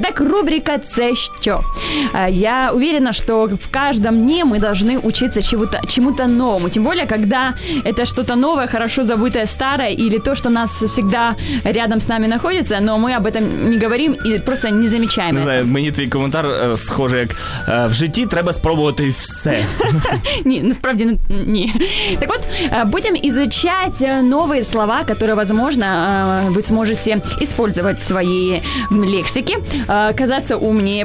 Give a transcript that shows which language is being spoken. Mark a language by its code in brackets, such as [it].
[ru] Итак, рубрика «Це що?». Я уверена, что в каждом дне мы должны учиться чему-то новому. Тем более, когда это что-то новое, хорошо забытое, старое, или то, что нас всегда рядом с нами находится, но мы об этом не говорим и просто не замечаем. [uk] Не знаю, мені твій коментар схожий, як в житті треба спробувати все. Ні, насправді, ні. [ru] Так от, будем изучать новые слова, которые, возможно, вы сможете использовать в своей лексике, казаться умнее.